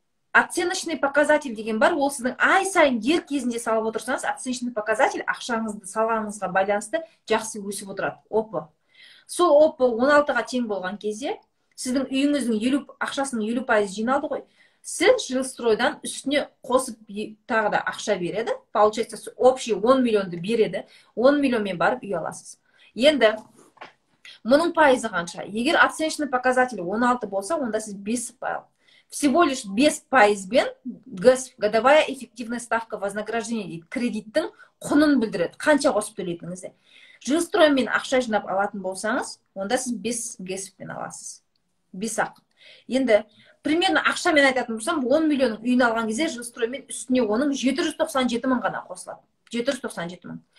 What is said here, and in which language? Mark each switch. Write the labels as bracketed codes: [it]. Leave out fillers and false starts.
[kk] Оценочный показатель деген бар, ол сіздің ай сайын дер кезінде салып отырсаңыз, оценочный показатель ақшаңызды салғаныңызға байланысты жақсы өсіп отырады. Опы. Сол опы 16-ға тең болған кезде, сіздің үйіңіздің 50 ақшасының 50% жиналды ғой. Сіз жылстройдан үстіне қосып тағы да ақша береді. [ru] Получается, общий [kk] 10 миллионды береді. 10 миллионмен барып үй аласыз. Енді мұның пайызы қанша? Егер оценочный показатель 16 болса, онда сіз 5 пайыз. [ru] Всего лишь 5% [kk] бен [ru] годовая эффективная ставка вознаграждения [kk] дейді. Кредиттің құнын білдіреді. Қанша қосып төлейтініңізді. Жылстроймен ақша жинап алатын болсаңыз, онда сіз 5% аласыз. 5%. Енді [ru] примерно [kk] ақшамен айтатын болсам, 10 миллион үйін алған кезде жылстроймен үстіне оның 797 мың ғана қосылады. 797 мың.